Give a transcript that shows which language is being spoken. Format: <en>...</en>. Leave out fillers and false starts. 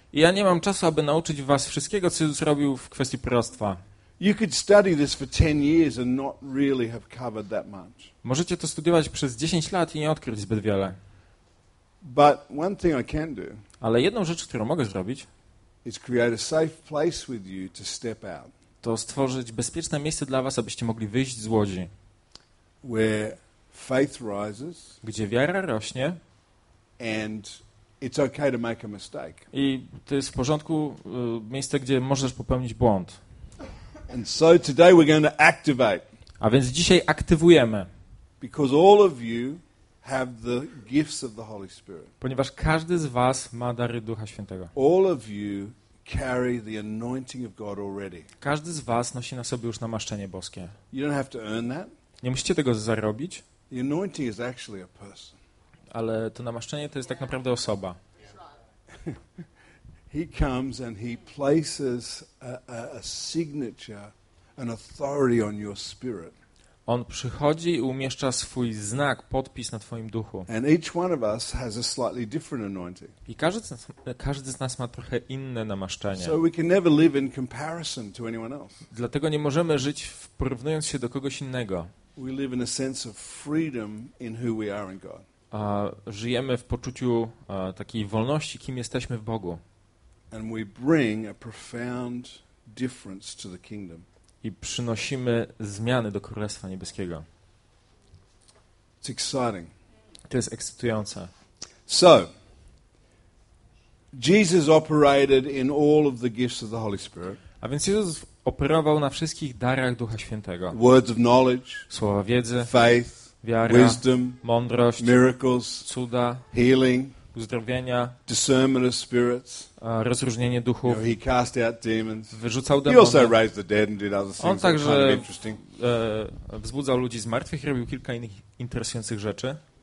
<pl>I ja nie mam czasu, aby nauczyć was wszystkiego, co Jezus robił w kwestii proroctwa.</pl> <en>You could study this for 10 years and not really have covered that much.</en> <pl>Możecie to studiować przez 10 lat i nie odkryć zbyt wiele.</pl> <en>But one thing I can do.</en> <pl>Ale jedną rzecz, którą mogę zrobić,</pl> <en>is create a safe place with you to step out.</en> <pl>To stworzyć bezpieczne miejsce dla was, abyście mogli wyjść z łodzi.</pl> <en>Where faith rises.</en> <pl>Gdzie wiara rośnie.</pl> <en>And it's okay to make a mistake.</en> <pl>I to jest w porządku miejsce, gdzie możesz popełnić błąd.</pl> <en>And so today we're going to activate.</en> <pl>A więc dzisiaj aktywujemy.</pl> <en>Because all of you have the gifts of the Holy Spirit.</en> <pl>Ponieważ każdy z was ma dary Ducha Świętego.</pl> <en>All of you carry the anointing of God already.</en> <pl>Każdy z was nosi na sobie już namaszczenie boskie.</pl> <en>You don't have to earn that.</en> <pl>Nie musicie tego zarobić.</pl> <en>The anointing is actually a person.</en> <pl>Ale to namaszczenie to jest tak naprawdę osoba.</pl> <en>He comes and he places a signature, an authority on your spirit.</en> <pl>On przychodzi i umieszcza swój znak, podpis na twoim duchu.</pl> <en>And each one of us has a slightly different anointing.</en> <pl>I każdy z nas ma trochę inne namaszczenie.</pl> <en>So we can never live in comparison to anyone else.</en> <pl>Dlatego nie możemy żyć porównując się do kogoś innego.</pl> <en>We live in a sense of freedom in who we are in God.</en> <pl>Żyjemy w poczuciu takiej wolności, kim jesteśmy w Bogu.</pl> <en>And we bring a profound difference to the kingdom.</en> <pl>I przynosimy zmiany do Królestwa Niebieskiego.</pl> <en>It's exciting.</en> <pl>To jest ekscytujące.</pl> <en>So, Jesus operated in all of the gifts of the Holy Spirit.</en> <pl>A więc Jezus operował na wszystkich darach Ducha Świętego.</pl> <en>Words of knowledge,</en> <pl>słowa wiedzy,</pl> <en>faith,</en> <pl>wiara,</pl> <en>wisdom,</en> <pl>mądrość,</pl> <en>miracles,</en> <pl>cuda,</pl> <en>healing,</en> <pl>uzdrowienia,</pl> <en>discernment of spirits,</en> <pl>rozróżnienie duchów.</pl> <en>You know, he cast out demons,</en> <pl>wyrzucał demony.</pl> <en>He also raised the dead and did other things.</en> <pl>On także wzbudzał ludzi z martwych, robił kilka innych interesujących rzeczy.</pl>